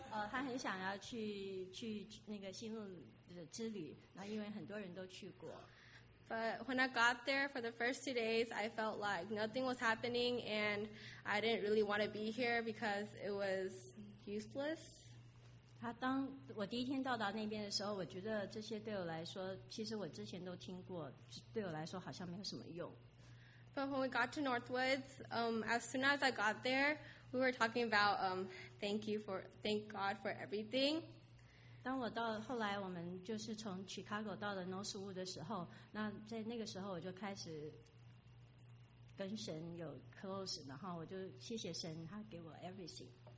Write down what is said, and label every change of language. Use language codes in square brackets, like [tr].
[zh] 他很想要去那个心路的之旅，然后因为很多人都去过。 [en] But when I got there for the first 2 days, I felt like nothing was happening, and I didn't really want to be here because it was useless. [zh] 当我第一天到达那边的时候，我觉得这些对我来说，其实我之前都听过，对我来说好像没有什么用。But [en] when we got to Northwoods, as soon as I got there, we were talking about thank God for everything. [zh] 当我到后来，我们就是从 Chicago 到了 Northwood 的时候，那在那个时候我就开始跟神有 close， 然后我就谢谢神，他给我 everything。